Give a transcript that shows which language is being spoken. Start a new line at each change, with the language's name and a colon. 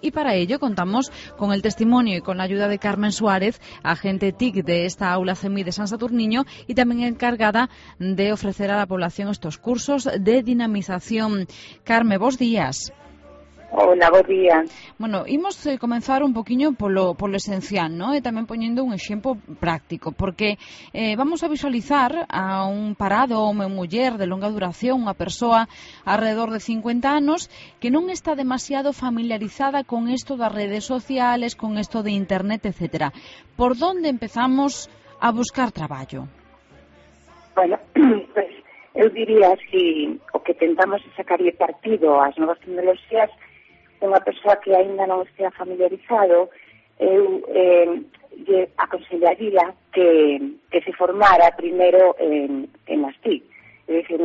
Spanish: Y para ello, contamos con el testimonio y con la ayuda de Carmen Suárez, agente TIC de esta aula CEMIT de San Saturniño y también encargada de ofrecer a la población estos cursos de dinamización.
Galician: Carme, vos días. Hola, vos días. Bueno, imos comenzar un poquinho polo esencial, ¿no? E tamén poñendo un exemplo práctico, porque vamos a visualizar a un parado, unha muller de longa duración, unha persoa alrededor de 50 anos, que non está demasiado familiarizada con esto das redes sociales, con esto de internet, etcétera.
Spanish: ¿Por dónde empezamos a buscar traballo?
Galician: Bueno, pues eu diría, si o que tentamos é sacarle partido ás novas tecnologías, unha persoa que aínda non estea familiarizado, eu aconsellaría que se formara primeiro en as TIC, é dicir,